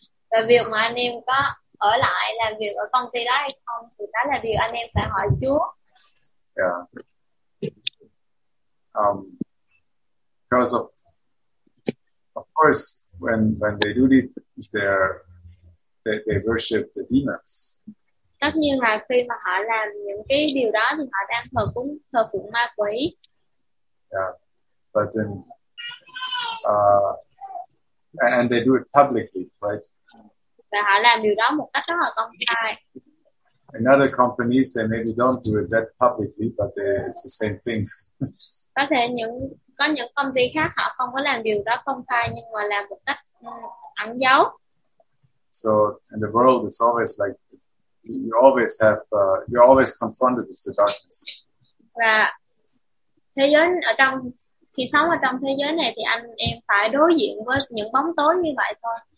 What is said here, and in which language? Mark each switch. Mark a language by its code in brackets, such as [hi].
[vi] Và việc mà anh em có ở lại làm việc ở công ty đó hay không thì đó là điều anh em phải hỏi Chúa. [en] Yeah. Because of course when they do this, they worship the demons. [vi] Tất nhiên là khi mà họ làm những cái điều đó thì họ đang thờ phụng ma quỷ. [en] Yeah, but then and they do it publicly, right? [vi] Và họ làm điều đó một cách rất là công khai. [en] In other companies, they maybe don't do it that publicly, but it's the same thing. [vi] Có thể có những công ty khác họ không có làm điều đó công khai, nhưng mà làm một cách ẩn giấu. [en] So in the world, it's always like you're always confronted with the darkness. [vi] Và thế giới ở trong khi sống ở trong thế giới này thì anh em phải đối diện với những bóng tối như vậy thôi.